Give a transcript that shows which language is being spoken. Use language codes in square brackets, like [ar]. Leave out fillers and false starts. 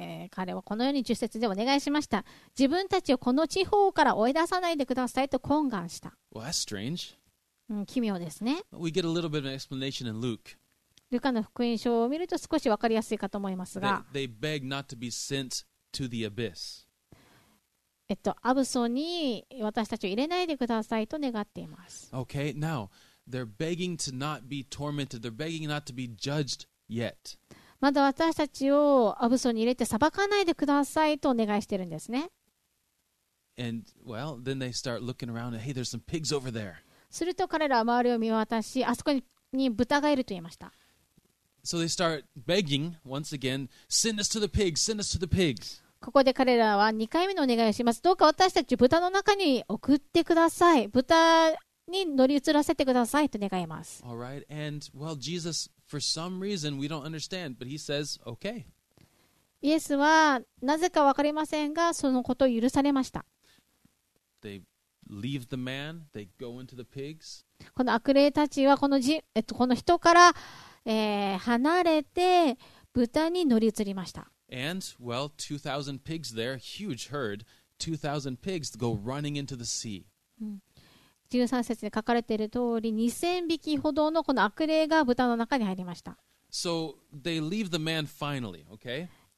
[ja] 彼はこのように10節でお願いしました。自分たちをこの地方から追い出さないでくださいと懇願した。 [en] Well, that's strange. [ja] 奇妙ですね。 [en] We get a little bit of an explanation in Luke. [ja] ルカの福音書を見ると少しわかりやすいかと思いますが。 [en] They beg not to be sent to the abyss. [ja] アブソに私たちを入れないでくださいと願っています。 [en] Okay, now. They're begging to not be tormented. They're begging not to be judged yet. [ja] まだ私たちをアブソに入れて裁かないでくださいとお願いしてるんですね。 [en] And well, then they start looking around. Hey, there's some pigs over there. [ja] すると彼らは周りを見渡し、あそこに豚がいると言いました。 [en] So they start begging once again, send us to the pigs, send us to the pigs. [ja] ここで彼らは2回目のお願いをします。どうか私たち豚の中に送ってください。豚に乗り移らせてくださいと願います。 [en] All right. And well, Jesus, for some reason, we don't understand, but he says, okay. [ja] イエスはなぜか分かりませんが、そのことを許されました。 [en] They leave the man, they go into the pigs. [ja] この悪霊たちはこの人から、離れて豚に乗り移りました。 [en] And well, 2,000 pigs there, huge herd. 2,000 pigs go running into the sea. [ja] 13節で書かれている通り、2,000 匹ほどのこの悪霊が豚の中に入りました。 [en] So they leave the man finally, okay?